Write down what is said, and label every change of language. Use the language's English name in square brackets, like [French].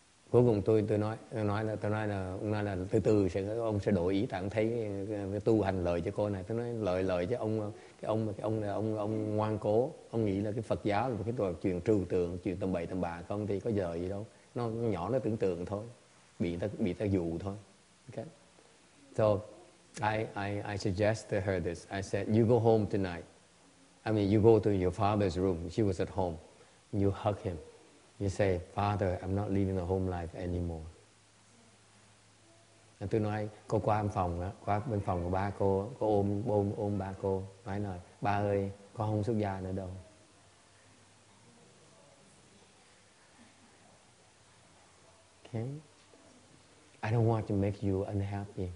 [Vietnamese] Cuối cùng tôi nói là từ từ sẽ ông sẽ đổi ý, tặng thấy cái tu hành lợi cho cô này. Tôi nói lợi cho ông, cái ông ngoan cố, ông nghĩ là cái Phật giáo là cái trò chuyện trừu tượng, chuyện tầm bậy tầm bạ, không thì có giờ gì đâu, nó nhỏ, nó tưởng tượng thôi, bị ta dụ thôi. [English] Okay, so I suggest to her this. I said you go home tonight, I mean you go to your father's room. She was at home. You hug him. You say, Father, I'm not living a home life anymore. [Vietnamese] And tôi nói, cô qua bên phòng đó, qua bên phòng của ba cô ôm ba cô, nói là, ba ơi, con không xuất gia nữa đâu. Okay. I don't want to make you unhappy.